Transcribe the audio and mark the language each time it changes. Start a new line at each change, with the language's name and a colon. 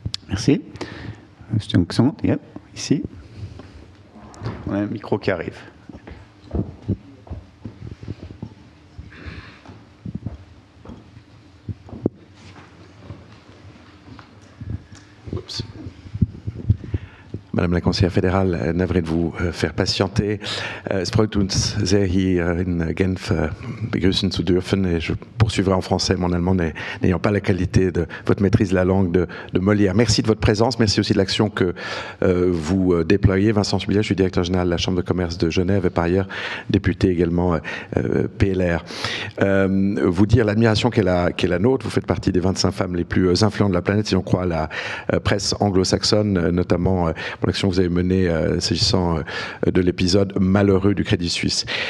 French: Merci. Merci. M. Nguxon, yep, ici. On a un micro qui arrive. Madame la conseillère fédérale, navré de vous faire patienter.
German: Es freut uns sehr, hier in Genf begrüßen zu dürfen.
French: Et je poursuivrai en français, mon allemand n'ayant pas la qualité de votre maîtrise de la langue de Molière. Merci de votre présence, merci aussi de l'action que vous déployez. Vincent Subillet, je suis directeur général de la Chambre de commerce de Genève et par ailleurs député également PLR. Vous dire l'admiration qu'est la nôtre, vous faites partie des 25 femmes les plus influentes de la planète, si on croit la presse anglo-saxonne, notamment pour l'action que vous avez menée s'agissant de l'épisode malheureux du Crédit Suisse.